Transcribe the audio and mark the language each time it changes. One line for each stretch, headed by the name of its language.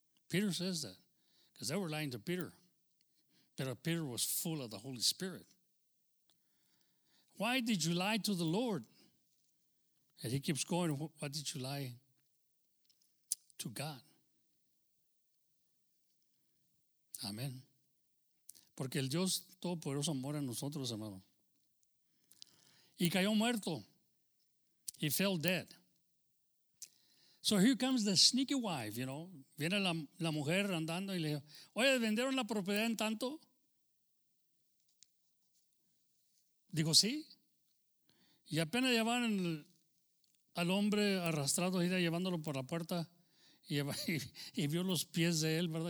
English: Peter says that because they were lying to Peter. But Peter was full of the Holy Spirit. Why did you lie to the Lord? And he keeps going, what did you lie to God?
Spanish: Amén. Porque el Dios Todopoderoso mora en nosotros, hermano. Y cayó muerto.
English: He fell dead. So here comes the sneaky wife, you know.
Spanish: Viene la mujer andando y le dijo, oye, ¿vendieron la propiedad en tanto? Dijo, sí. Y apenas llevaron al hombre arrastrado, ir llevándolo por la puerta y vio los pies de él, ¿verdad?